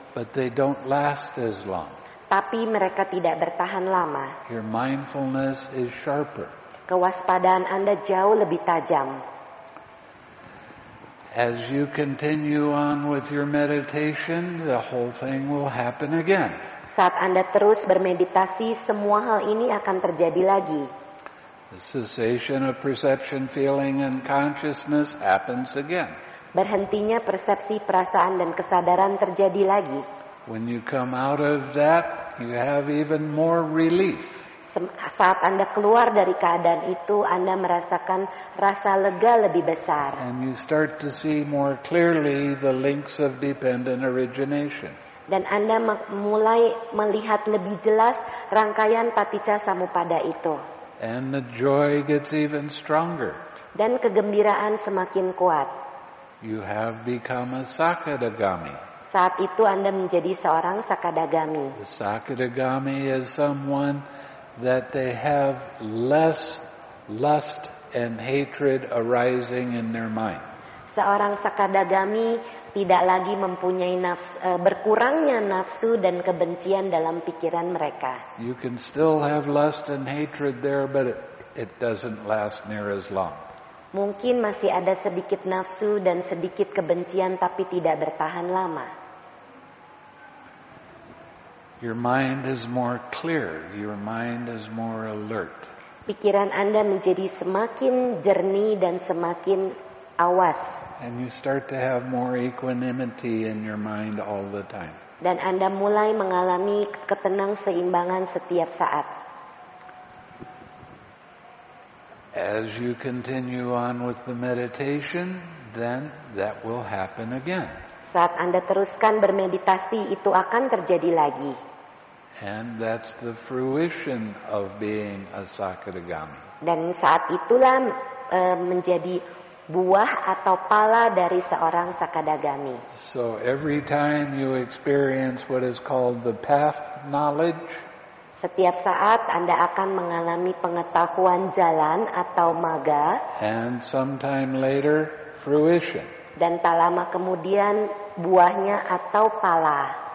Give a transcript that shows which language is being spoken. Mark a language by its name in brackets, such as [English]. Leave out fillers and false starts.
[English] But they don't last as long. [Indonesian] Tapi mereka tidak bertahan lama. [English] Your mindfulness is sharper. [Indonesian] Kewaspadaan Anda jauh lebih tajam. [English] As you continue on with your meditation, the whole thing will happen again. [Indonesian] Saat Anda terus bermeditasi, semua hal ini akan terjadi lagi. [English] The cessation of perception, feeling, and consciousness happens again. [Indonesian] Berhentinya persepsi, perasaan, dan kesadaran terjadi lagi. [English] When you come out of that, you have even more relief. [Indonesian] Saat Anda keluar dari keadaan itu, Anda merasakan rasa lega lebih besar. [English] And you start to see more clearly the links of dependent origination. [Indonesian] Dan Anda mulai melihat lebih jelas rangkaian paticca samuppada itu. [English] And the joy gets even stronger. [Indonesian] Dan kegembiraan semakin kuat. [English] You have become a Sakadagami. [Indonesian] Saat itu Anda menjadi seorang Sakadagami. [English] The Sakadagami is someone that they have less lust and hatred arising in their mind. [Indonesian] Seorang Sakadagami tidak lagi mempunyai berkurangnya nafsu dan kebencian dalam pikiran mereka. [English] You can still have lust and hatred there, but it doesn't last near as long. [Indonesian] Mungkin masih ada sedikit nafsu dan sedikit kebencian, tapi tidak bertahan lama. [English] Your mind is more clear. Your mind is more alert. [Indonesian] Pikiran Anda menjadi semakin jernih dan semakin awas. [English] And you start to have more equanimity in your mind all the time. [Indonesian] Dan Anda mulai mengalami ketenang seimbangan setiap saat. [English] As you continue on with the meditation, then that will happen again. [Indonesian] Saat Anda teruskan bermeditasi, itu akan terjadi lagi. [English] And that's the fruition of being a Sakadagami. [Indonesian] Dan saat itulah menjadi buah atau pala dari seorang Sakadagami. [English] So every time you experience what is called the path knowledge, [Indonesian] setiap saat Anda akan mengalami pengetahuan jalan atau magga, [English] and sometime later fruition. [Indonesian] Dan tak lama kemudian buahnya atau pala.